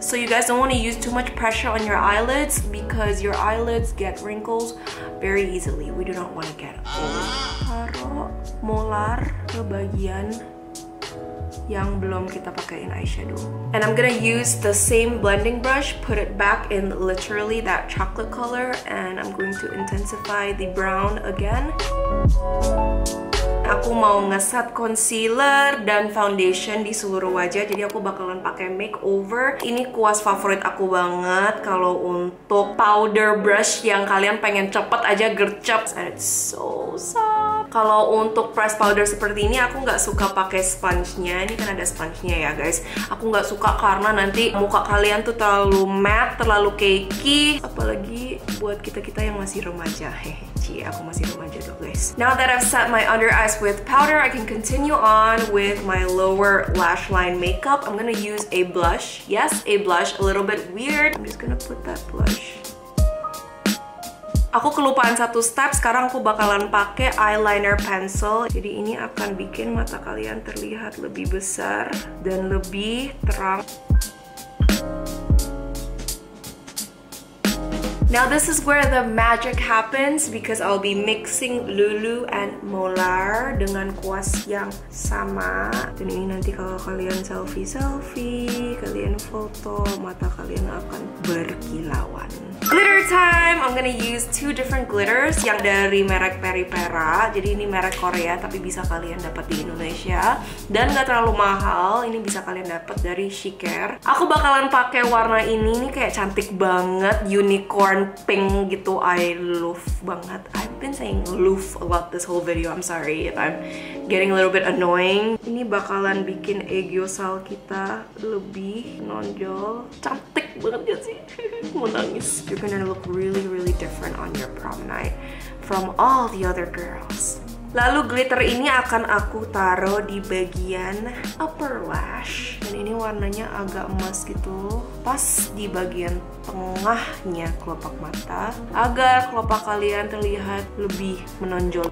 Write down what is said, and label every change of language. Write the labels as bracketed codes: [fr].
[en] So you guys don't want to use too much pressure on your eyelids, because your eyelids get wrinkles very easily. We do not want to get old. [id] Taruh molar ke bagian yang belum kita pakaiin eyeshadow. [en] And I'm gonna use the same blending brush, put it back in literally that chocolate color, and I'm going to intensify the brown again. [id] Aku mau ngeset concealer dan foundation di seluruh wajah, jadi aku bakalan pakai makeover. Ini kuas favorit aku banget kalau untuk powder brush yang kalian pengen cepet aja gercep. [en] And it's so soft. [id] Kalau untuk press powder seperti ini, aku nggak suka pakai sponge-nya. Ini kan ada sponge-nya ya guys. Aku nggak suka karena nanti muka kalian tuh terlalu matte, terlalu cakey. Apalagi buat kita-kita yang masih remaja. Aku masih remaja dong guys. [en] Now that I've set my under eyes with powder, I can continue on with my lower lash line makeup. I'm gonna use a blush. Yes, a blush, a little bit weird. I'm just gonna put that blush. [id] Aku kelupaan satu step, sekarang aku bakalan pakai eyeliner pencil. Jadi ini akan bikin mata kalian terlihat lebih besar dan lebih terang. [en] Now this is where the magic happens, because I'll be mixing Lulu and Molar [id] dengan kuas yang sama. Dan ini nanti kalau kalian selfie-selfie, kalian foto, mata kalian akan berkilauan. [en] Glitter time! I'm gonna use two different glitters, [id] yang dari merek Peripera. Jadi ini merek Korea tapi bisa kalian dapat di Indonesia dan gak terlalu mahal. Ini bisa kalian dapat dari Shiker. Aku bakalan pakai warna ini. Ini kayak cantik banget, unicorn pink gitu. [en] I love banget. I've been saying love a lot this whole video. I'm sorry if I'm getting a little bit annoying. [id] Ini bakalan bikin egio cell kita lebih nonjol. Cantik banget ya sih. Mau nangis. [en] You're gonna look really, really different on your prom night from all the other girls. [id] Lalu glitter ini akan aku taruh di bagian upper lash. Dan ini warnanya agak emas gitu. Pas di bagian tengahnya kelopak mata, agar kelopak kalian terlihat lebih menonjol.